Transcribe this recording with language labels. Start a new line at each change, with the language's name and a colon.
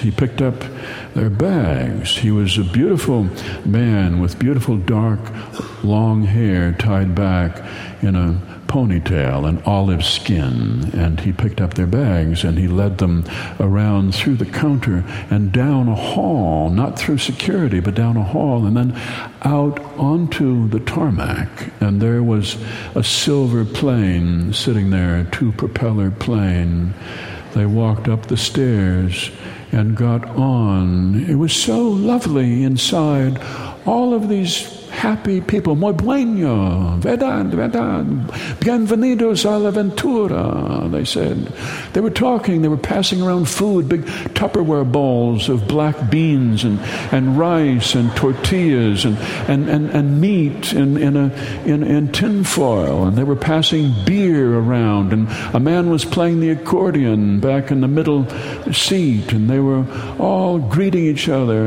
English: He picked up their bags. He was a beautiful man with beautiful dark long hair tied back in a ponytail and olive skin, and he picked up their bags and he led them around through the counter and down a hall, not through security, but down a hall, and then out onto the tarmac, and there was a silver plane sitting there, a two-propeller plane. They walked up the stairs and got on. It was so lovely inside. All of these happy people.
Spanish: "Muy bueno, verdad, verdad. Bienvenidos a la aventura,"
English: they said. They were talking, they were passing around food, big Tupperware bowls of black beans and rice and tortillas and meat in tinfoil. And they were passing beer around, and a man was playing the accordion back in the middle seat, and they were all greeting each other.